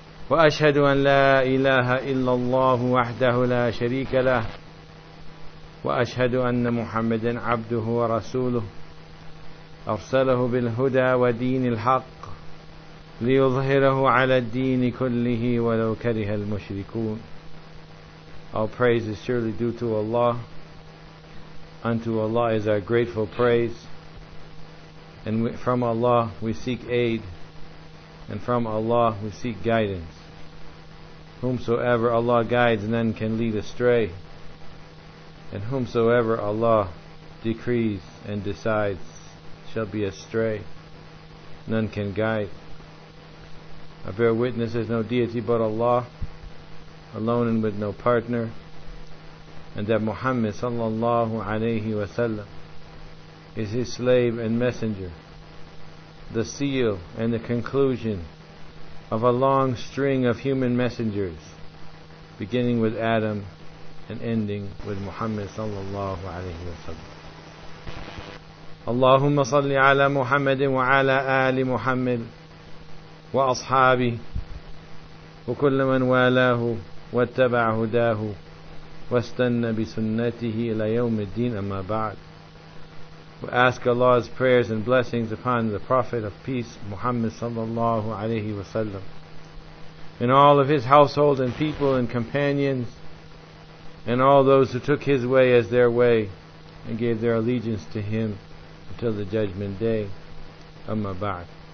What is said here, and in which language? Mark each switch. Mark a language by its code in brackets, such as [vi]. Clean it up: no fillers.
[ar] وأشهد أن لا إله إلا الله وحده لا شريك له، وأشهد أن محمدا عبده ورسوله أرسله بالهدى ودين الحق ليظهره على الدين كله ولو كره المشركون. [en] All praise is surely due to Allah. Unto Allah is our grateful praise. And from Allah we seek aid. And from Allah we seek guidance. Whomsoever Allah guides, none can lead astray. And whomsoever Allah decrees and decides shall be astray, none can guide. I bear witness there's no deity but Allah, alone and with no partner, and that Muhammad sallallahu alayhi wa sallam is his slave and messenger, the seal and the conclusion of a long string of human messengers, beginning with Adam and ending with Muhammad sallallahu alayhi wa sallam. [ar] اللهم صل على محمد وعلى آل محمد وأصحابه وكل من والاه واتبع هداه واستنى بسنته إلى يوم الدين أما بعد. [en] We ask Allah's prayers and blessings upon the Prophet of Peace Muhammad صلى الله عليه وسلم and all of his household and people and companions and all those who took his way as their way and gave their allegiance to him until the judgment day. Amma ba'd.